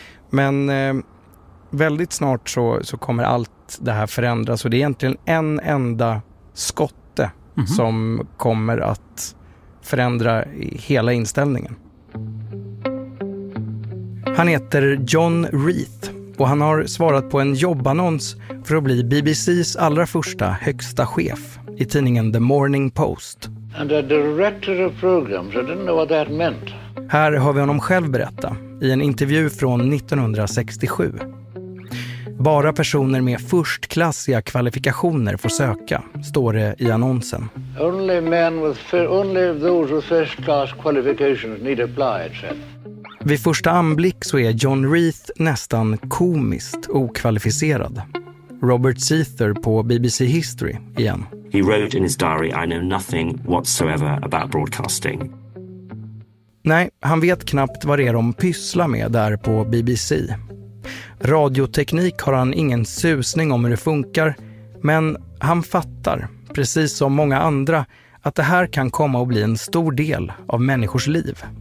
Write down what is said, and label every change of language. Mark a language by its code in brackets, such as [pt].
[sv] Men väldigt snart så kommer allt det här förändras. Och det är egentligen en enda skotte som kommer att förändra hela inställningen. Han heter John Reith och han har svarat på en jobbannons för att bli BBC:s allra första högsta chef i tidningen The Morning Post. [en] And a director of programs, I didn't know what that meant. [sv] Här hör vi honom själv berätta i en intervju från 1967. Bara personer med förstklassiga kvalifikationer får söka, står det i annonsen. [en] Only men with only those with first class qualifications need apply, it said. [sv] Vid första anblick så är John Reith nästan komiskt okvalificerad. Robert Seether på BBC History igen. [en] He wrote in his diary, I know nothing whatsoever about broadcasting. [sv] Nej, han vet knappt vad det är de pysslar med där på BBC. Radioteknik har han ingen susning om hur det funkar, men han fattar, precis som många andra, att det här kan komma att bli en stor del av människors liv.